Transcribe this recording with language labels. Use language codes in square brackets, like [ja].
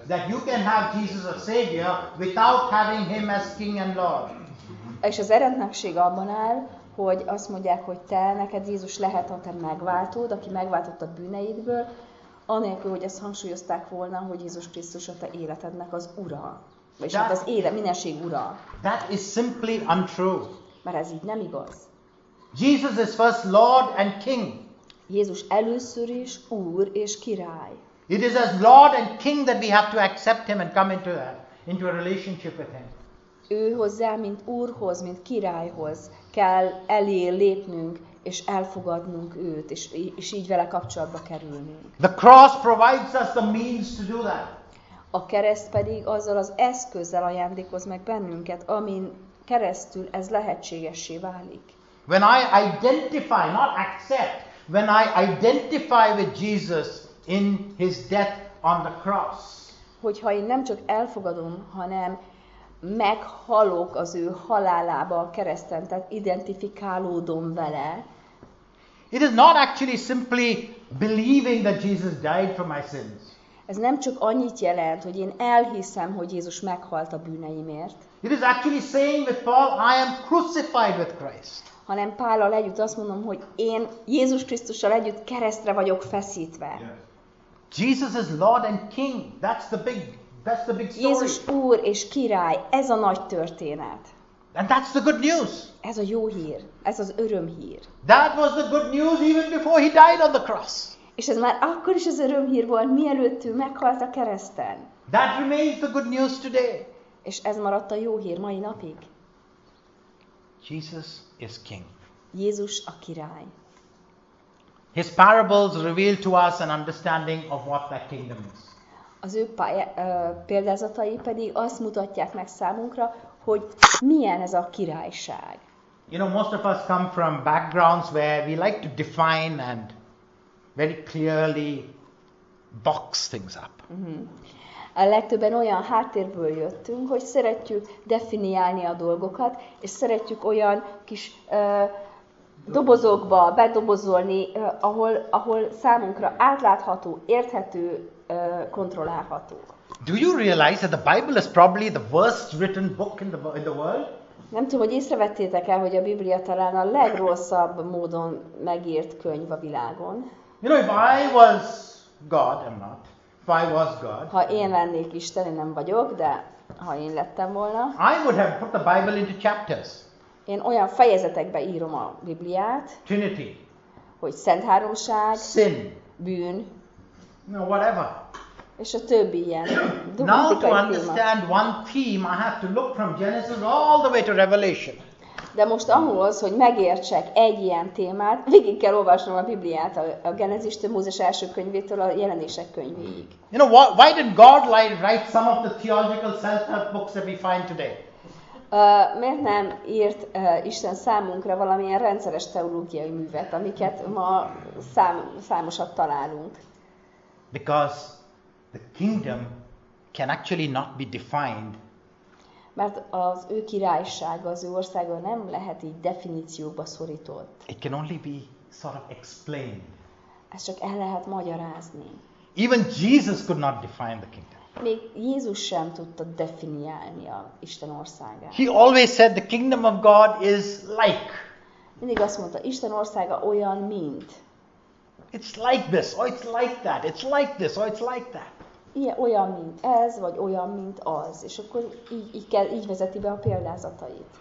[en] That you can have Jesus as savior without having him as king and lord. [hu] És az eretnekség abban áll, hogy azt mondják, hogy te, neked Jézus lehet a te megváltód, aki megváltott a bűneidből, anélkül, hogy ezt hangsúlyozták volna, hogy Jézus Krisztus a te életednek az ura, és hát az élet, mindenség ura. [en] That is simply untrue. [hu] Mert ez így nem igaz. [en] Jesus is first Lord and King. [hu] Jézus először is úr és király. [en] It is as Lord and King that we have to accept him and come into that, into a relationship with him. [hu] Ő hozzá, mint úrhoz, mint királyhoz kell elé lépnünk és elfogadnunk őt, és így vele kapcsolatba kerülnünk. [en] The cross provides us the means to do that. [hu] A kereszt pedig azzal az eszközzel ajándékoz meg bennünket, amin keresztül ez lehetségessé válik. [en] When I identify, not accept, when I identify with Jesus in his death on the cross. [hu] Hogyha én nem csak elfogadom, hanem meghalok az ő halálába a kereszten, tehát identifikálódom vele. [en] It is not actually simply believing that Jesus died for my sins. [hu] Ez nem csak annyit jelent, hogy én elhiszem, hogy Jézus meghalt a bűneimért. [en] It is actually saying with Paul, I am crucified with Christ. [hu] Hanem Pállal együtt azt mondom, hogy én Jézus Krisztussal együtt keresztre vagyok feszítve. [en] Yes. Jesus is Lord and King. That's the big. That's the big story. [hu] Jézus úr és király, ez a nagy történet. [en] And that's the good news. [hu] Ez a jó hír, ez az örömhír. [en] That was the good news even before he died on the cross. [hu] És ez már akkor is az örömhír volt, mielőtt ő meghalt a kereszten. [en] That remains the good news today. [hu] És ez maradt a jó hír mai napig. [en] Jesus is king. [hu] Jézus a király. [en] His parables reveal to us an understanding of what that kingdom is. [hu] Az ő példázatai pedig azt mutatják meg számunkra, hogy milyen ez a királyság. [en] You know, most of us come from backgrounds where we like to define and very clearly box things up. [hu] A legtöbben olyan háttérből jöttünk, hogy szeretjük definiálni a dolgokat, és szeretjük olyan kis dobozokba bedobozolni, ahol számunkra átlátható, érthető, kontrollálható. [en] Do you realize that the Bible is probably the worst written book in the world? [hu] Nem tudom, hogy észrevettétek el, hogy a Biblia talán a legrosszabb módon megírt könyv a világon. [en] You know, if I was God, I'm not. If I was God. [hu] Ha én lennék Isten, én nem vagyok, de ha én lettem volna. [en] I would have put the Bible into chapters. [hu] Én olyan fejezetekbe írom a Bibliát. [en] Trinity. [hu] Hogy Szent Háromság. [en] Sin. [hu] Bűn. [en] No, whatever. [hu] És a többi ilyen. [en] Now to understand one theme, I have to look from Genesis all the way to Revelation. [hu] De most ahhoz, hogy megértsek egy ilyen témát, végig kell olvasnom a Bibliát, a Genezistől, Mózes első könyvétől a Jelenések könyvéig. [en] You know, why did God write some of the theological self-help books that we find today? [hu] Miért nem írt Isten számunkra valamilyen rendszeres teológiai művet, amiket ma számosat találunk? [en] Because the kingdom can actually not be defined. [hu] Mert az ő királysága, az ő országa nem lehet így definícióba szorított. [en] It can only be sort of explained. [hu] Ez csak el lehet magyarázni. [en] Even Jesus could not define the kingdom. [hu] Még Jézus sem tudta definiálni a Isten országát. [en] He always said the kingdom of God is like. [hu] Mindig azt mondta, Isten országa olyan, mint. [en] It's like this, or it's like that. It's like this, or it's like that. [hu] Igen, olyan, mint ez, vagy olyan, mint az. És akkor így vezeti be a példázatait.